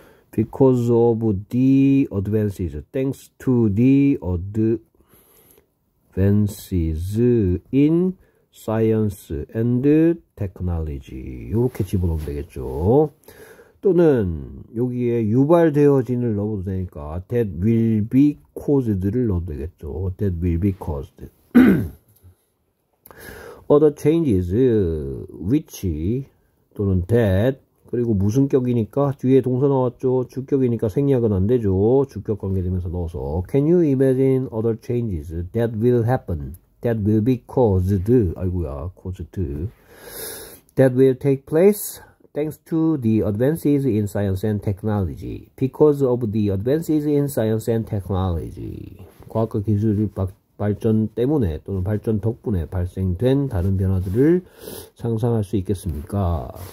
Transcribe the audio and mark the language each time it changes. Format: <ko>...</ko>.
<en>Because of the advances, thanks to the advances in science and technology.</en> <ko>이렇게 집어넣으면 되겠죠. 또는 여기에 유발되어진을 넣어도 되니까,</ko> <en>that will be caused</en> <ko>를 넣어도 되겠죠.</ko> <en>That will be caused. Other changes, which</en> <ko>또는 that, 그리고 무슨 격이니까 뒤에 동사 나왔죠. 주격이니까 생략은 안 되죠. 주격 관계되면서 넣어서</ko> <en>Can you imagine other changes that will happen? That will be caused.</en> <ko>아이고야,</ko> <en>caused. That will take place thanks to the advances in science and technology. Because of the advances in science and technology.</en> <ko>과학과 기술이 발전되어진 발전 때문에 또는 발전 덕분에 발생된 다른 변화들을 상상할 수 있겠습니까?</ko>